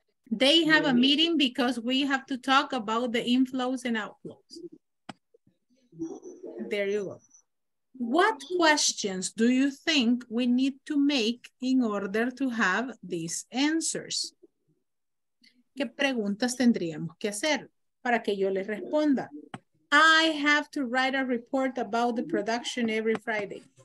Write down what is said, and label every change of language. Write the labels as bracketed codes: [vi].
[en] They have a meeting because we have to talk about the inflows and outflows. There you go. What questions do you think we need to make in order to have these answers? [es] ¿Qué preguntas tendríamos que hacer para que yo les responda? [en] I have to write a report about the production every Friday.